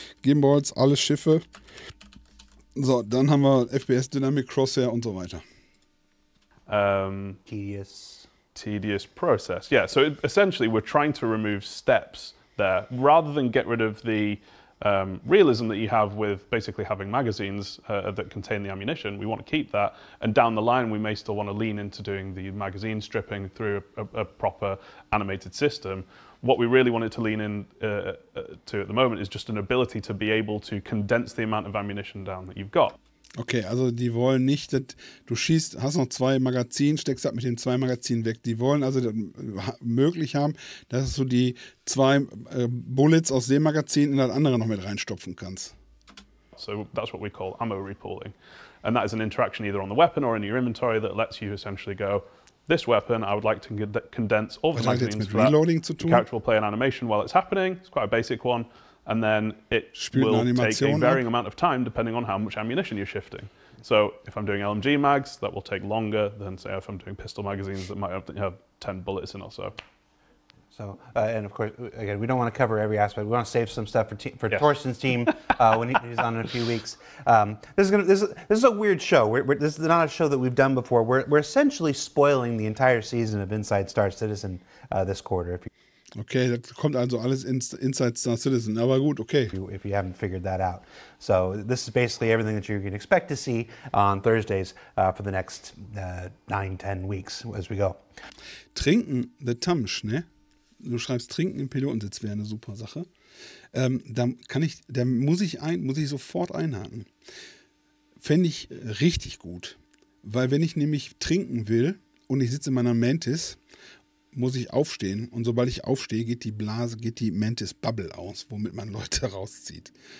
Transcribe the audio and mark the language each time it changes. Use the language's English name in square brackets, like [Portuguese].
[German] Gimbals, alle Schiffe. So, dann haben wir FPS Dynamic Crosshair und so weiter. [English] tedious process. Yeah, so essentially we're trying to remove steps there. Rather than get rid of the realism that you have with basically having magazines that contain the ammunition, we want to keep that. And down the line, we may still want to lean into doing the magazine stripping through a proper animated system. What we really wanted to lean in to at the moment is just an ability to be able to condense the amount of ammunition down that you've got. [German] Okay, also die wollen nicht, dass du schießt, hast noch zwei Magazine, steckst ab mit den zwei Magazinen weg. Die wollen also möglich haben, dass du die zwei Bullets aus dem Magazin in das andere noch mit reinstopfen kannst. [English] So that's what we call ammo repooling. And that is an interaction either on the weapon or in your inventory that lets you essentially go, this weapon, I would like to condense all the magazines. [German] Was hat jetzt mit Reloading zu tun? [English] The character will play an animation while it's happening. It's quite a basic one. And then it will take a varying amount of time depending on how much ammunition you're shifting. So if I'm doing LMG mags, that will take longer than, say, if I'm doing pistol magazines that might have 10 bullets in or so. So, and of course, again, we don't want to cover every aspect. We want to save some stuff for yes. Torsten's team when he's on in a few weeks. This is a weird show. This is not a show that we've done before. We're essentially spoiling the entire season of Inside Star Citizen this quarter. [German] Okay, das kommt also alles Inside Star Citizen, aber gut, okay. [English] If you haven't figured that out. So this is basically everything that you can expect to see on Thursdays for the next 9-10 weeks as we go. [German] Trinken, the Tamsch, ne? Du schreibst Trinken im Pilotensitz wäre eine super Sache. Da muss ich sofort einhaken. Fände ich richtig gut. Weil wenn ich nämlich trinken will und ich sitze in meiner Mantis, muss ich aufstehen und sobald ich aufstehe, geht die Mantis Bubble aus, womit man Leute rauszieht.